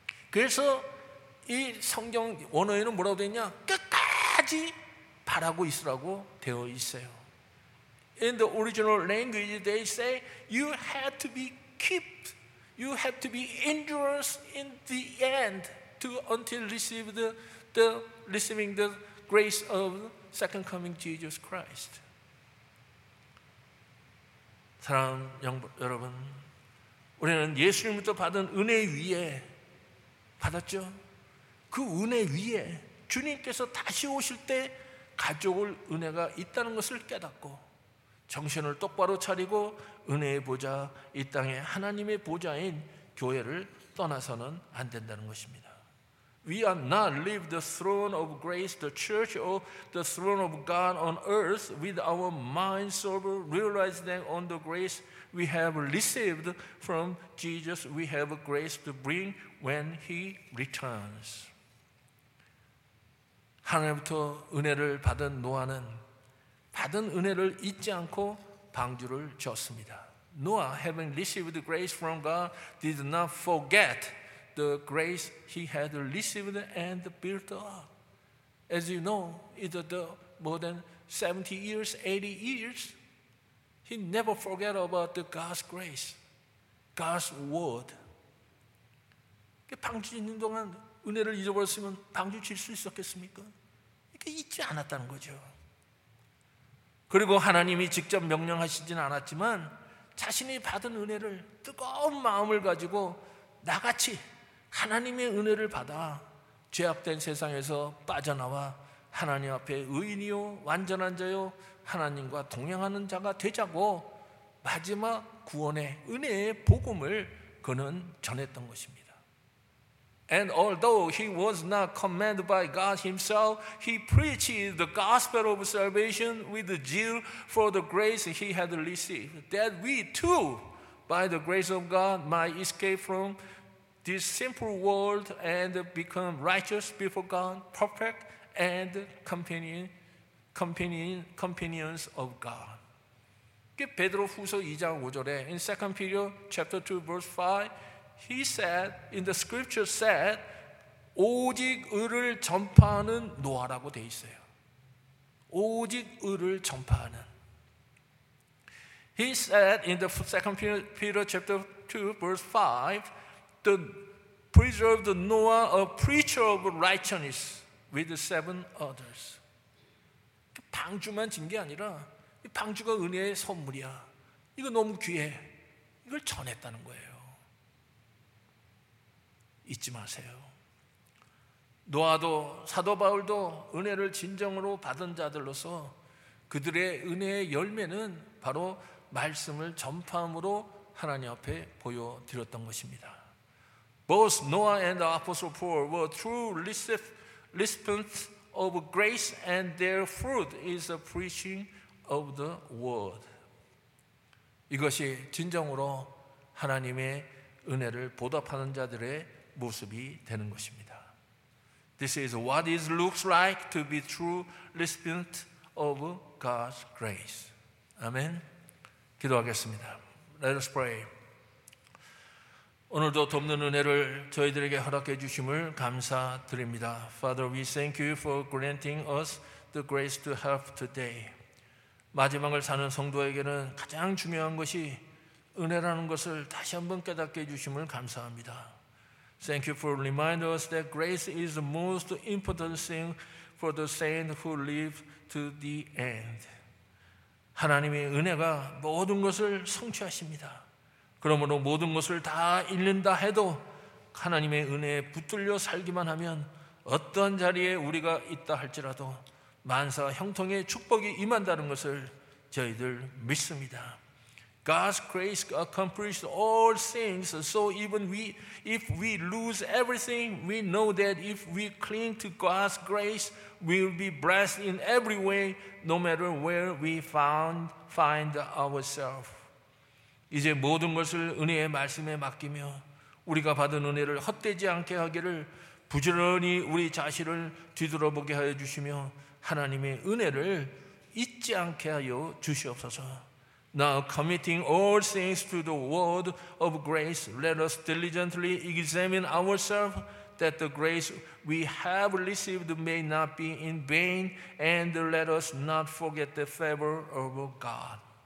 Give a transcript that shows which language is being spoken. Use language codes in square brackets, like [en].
[ko] 그래서 이 성경 원어에는 뭐라고 되냐? 끝까지 바라고 있으라고 되어 있어요. [en] In the original language, they say you have to be keep, you have to be endurous in the end to until receive the receiving the grace of second coming Jesus Christ. [ko] 사랑 여러분, 우리는 예수님부터 받은 은혜 위에 받았죠. 그 은혜 위에 주님께서 다시 오실 때 가져올 은혜가 있다는 것을 깨닫고 정신을 똑바로 차리고 은혜의 보좌, 이 땅의 하나님의 보좌인 교회를 떠나서는 안 된다는 것입니다. [en] We are not leave the throne of grace, the church, or the throne of God on earth with our minds sober, realizing on the grace we have received from Jesus, we have a grace to bring when he returns. [ko] 하나님부터 은혜를 받은 노아는 받은 은혜를 잊지 않고 방주를 졌습니다. [en] Noah, having received grace from God, did not forget the grace he had received and built up. As you know, it's the more than 70 years, 80 years, he never forget about the God's grace, God's word. [ko] 방주 짓는 동안 은혜를 잊어버렸으면 방주 칠 수 있었겠습니까? 이게 잊지 않았다는 거죠. 그리고 하나님이 직접 명령하시진 않았지만 자신이 받은 은혜를 뜨거운 마음을 가지고 나같이 하나님의 은혜를 받아 죄악된 세상에서 빠져나와 하나님 앞에 의인이요 완전한 자요 하나님과 동행하는 자가 되자고 마지막 구원의 은혜의 복음을 그는 전했던 것입니다. [en] And although he was not commanded by God himself, he preached the gospel of salvation with zeal for the grace he had received, that we too, by the grace of God, might escape from this simple world and become righteous before God, perfect and companions of God. [ko] 베드로 후서 2장 5절에 [en] in 2 Peter chapter 2 verse 5 he said in the scripture said [ko] 오직 의를 전파하는 노아라고 돼 있어요. 오직 의를 전파하는. [en] He said in the 2 Peter chapter 2 verse 5 the preserved Noah a preacher of righteousness with seven others. [ko] 방주만 진 게 아니라 방주가 은혜의 선물이야. 이거 너무 귀해. 이걸 전했다는 거예요. 잊지 마세요. 노아도 사도 바울도 은혜를 진정으로 받은 자들로서 그들의 은혜의 열매는 바로 말씀을 전파함으로 하나님 앞에 보여드렸던 것입니다. [en] Both Noah and the Apostle Paul were true recipients of grace and their fruit is the preaching of the word. [ko] 이것이 진정으로 하나님의 은혜를 보답하는 자들의 모습이 되는 것입니다. [en] This is what it looks like to be true recipient of God's grace. Amen. [ko] 기도하겠습니다. [en] Let us pray. [ko] 오늘도 돕는 은혜를 저희들에게 허락해 주심을 감사드립니다. [en] Father, we thank you for granting us the grace to help today. [ko] 마지막을 사는 성도에게는 가장 중요한 것이 은혜라는 것을 다시 한번 깨닫게 해주심을 감사합니다. [en] Thank you for reminding us that grace is the most important thing for the saint who lives to the end. [ko] 하나님의 은혜가 모든 것을 성취하십니다. 그러므로 모든 것을 다 잃는다 해도 하나님의 은혜에 붙들려 살기만 하면 어떤 자리에 우리가 있다 할지라도 만사 형통의 축복이 임한다는 것을 저희들 믿습니다. [en] God's grace accomplishes all things, so even we, if we lose everything, we know that if we cling to God's grace, we'll be blessed in every way, no matter where we find ourselves. [ko] 이제 모든 것을 은혜의 말씀에 맡기며 우리가 받은 은혜를 헛되지 않게 하기를 부지런히 우리 자신을 뒤돌아보게 하여 주시며 하나님의 은혜를 잊지 않게 하여 주시옵소서. [en] Now committing all things to the word of grace, let us diligently examine ourselves that the grace we have received may not be in vain and let us not forget the favor of God.